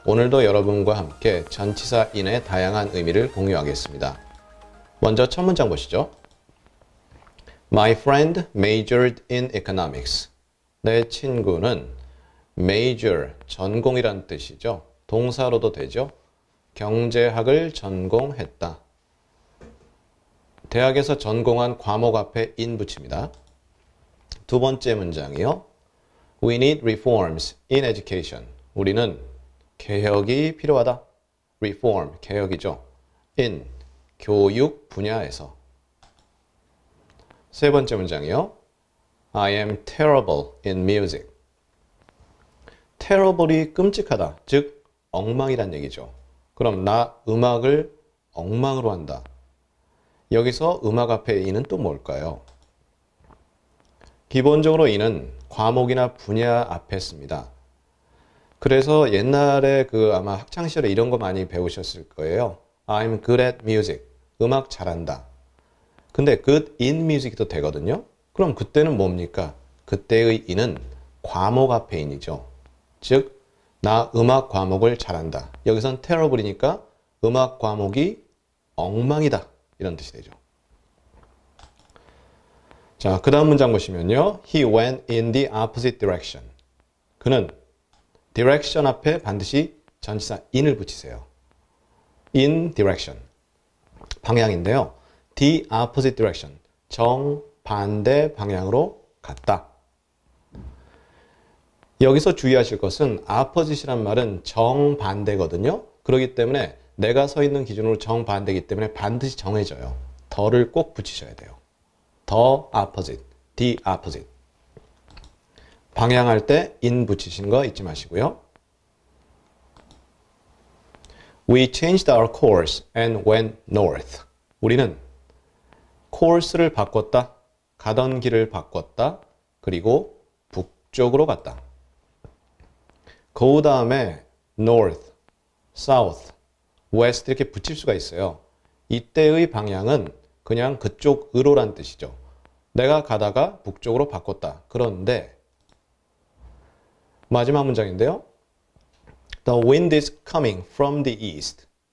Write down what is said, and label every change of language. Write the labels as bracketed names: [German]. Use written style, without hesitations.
[Korean] 오늘도 여러분과 함께 전치사 in의 다양한 의미를 공유하겠습니다. 먼저 첫 문장 보시죠. [English] My friend majored in economics. [Korean] 내 친구는 major, 전공이란 뜻이죠. 동사로도 되죠. 경제학을 전공했다. 대학에서 전공한 과목 앞에 in 붙입니다. 두 번째 문장이요. [English] We need reforms in education. [Korean] 우리는 개혁이 필요하다. Reform, 개혁이죠. In, 교육 분야에서. 세 번째 문장이요. [English] I am terrible in music. [Korean] Terrible이 끔찍하다. 즉, 엉망이란 얘기죠. 그럼 나 음악을 엉망으로 한다. 여기서 음악 앞에 in은 또 뭘까요? 기본적으로 in은 과목이나 분야 앞에 씁니다. 그래서 옛날에 그 아마 학창시절에 이런 거 많이 배우셨을 거예요. [English] I'm good at music. [Korean] 음악 잘한다. 근데 [English] good in music [Korean] 도 되거든요. 그럼 그때는 뭡니까? 그때의 in은 과목 앞에 in이죠. 즉, 나 음악 과목을 잘한다. 여기선 terrible이니까 음악 과목이 엉망이다. 이런 뜻이 되죠. 자, 그 다음 문장 보시면요. [English] He went in the opposite direction. [Korean] 그는 direction 앞에 반드시 전치사 in을 붙이세요. [English] In direction. 방향인데요. The opposite direction. [Korean] 정반대 방향으로 갔다. 여기서 주의하실 것은 opposite이란 말은 정반대거든요. 그렇기 때문에 내가 서 있는 기준으로 정반대이기 때문에 반드시 정해져요. 더를 꼭 붙이셔야 돼요. [English] The opposite, the opposite. [Korean] 방향할 때 in 붙이신 거 잊지 마시고요. [English] We changed our course and went north. [Korean] 우리는 course를 바꿨다. 가던 길을 바꿨다. 그리고 북쪽으로 갔다. go 다음에 north, south, west 이렇게 붙일 수가 있어요. 이때의 방향은 그냥 그쪽으로란 뜻이죠. 내가 가다가 북쪽으로 바꿨다. 그런데 마지막 문장인데요. [English] The wind is coming from the east.